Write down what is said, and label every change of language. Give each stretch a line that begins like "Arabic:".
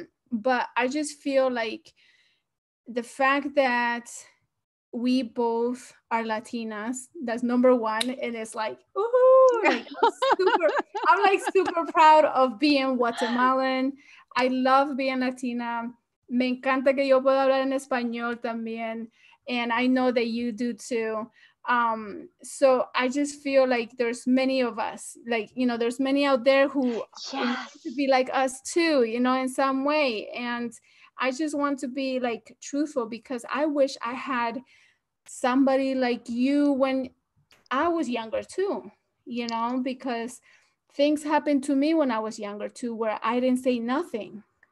English: But I just feel like the fact that we both are Latinas, that's number one. And it's like, ooh, I'm super proud of being Guatemalan. I love being Latina.
Spanish: Me encanta que yo pueda hablar en español también.
English: And I know that you do too. So I just feel like there's many of us, like, you know, there's many out there who want to be like us too, you know, in some way. And I just want to be like truthful, because I wish I had somebody like you when I was younger too, you know, because things happened to me when I was younger too, where I didn't say nothing.